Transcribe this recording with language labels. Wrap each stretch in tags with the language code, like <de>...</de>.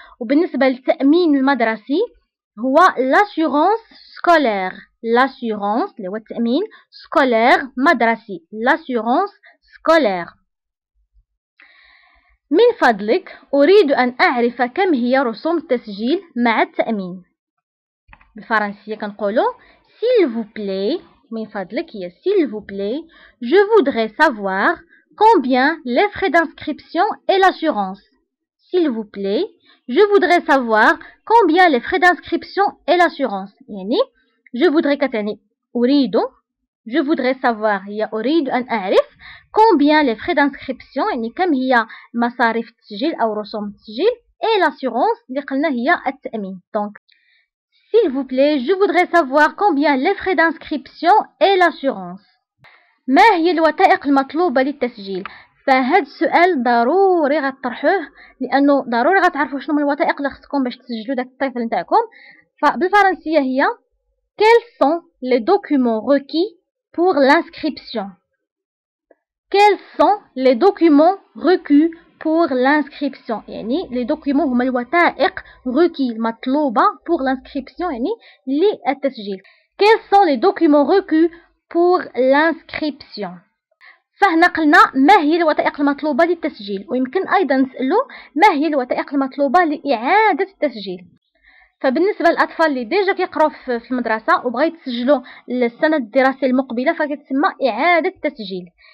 <ar>وبالنسبه للتامين المدرسي هو لاسيغونس سكولير، لاسيغونس اللي هو التامين سكولير مدرسي، لاسيغونس سكولير. من فضلك أريد أن أعرف كم هي رسوم التسجيل مع التأمين. بالفرنسية كنقولو</ar> <fr>s'il vous plaît،</fr> <ar>من فضلك هي</ar> <fr>s'il vous plaît، je voudrais savoir combien les frais d'inscription et l'assurance. s'il vous plaît، je voudrais savoir combien les frais d'inscription et l'assurance.</fr> <ar>يعني</ar> <fr>je voudrais</fr> <ar>كتعني أريد،</ar> <fr>je voudrais savoir</fr> <ar>هي أريد أن أعرف،</ar> <fr>combien les frais d'inscription</fr> <ar>يعني كم هي مصاريف التسجيل أو رسوم التسجيل،</ar> <fr>et l'assurance</fr> <ar>اللي قلنا هي التأمين.</ar> <fr>donc s'il vous plaît je voudrais savoir combien les frais d'inscription et l'assurance.</fr> <ar>ما هي الوثائق المطلوبة للتسجيل؟ فهاد السؤال ضروري غتطرحوه، لأنه ضروري غتعرفوا شنو من الوثائق اللي خصكم باش تسجلوا داك الطفل نتاعكم. فبالفرنسية هي</ar> <fr>quels sont les documents requis pour l'inscription. Quels sont les documents requis pour l'inscription؟</fr> <ar>يعني لي دوكيمون هما الوثائق</ar> <fr>requis</fr> <ar>المطلوبة</ar> <fr>pour l'inscription،</fr> <ar>يعني للتسجيل.</ar> <fr>Quels sont les documents requis pour l'inscription؟</fr> <ar>فهنا قلنا ما هي الوثائق المطلوبة للتسجيل، ويمكن أيضا نسألو ما هي الوثائق المطلوبة لإعادة التسجيل. فبالنسبه للاطفال اللي ديجا كيقراو في المدرسه وبغا يتسجلوا للسنه الدراسيه المقبله، فكتسمى اعاده التسجيل.</ar>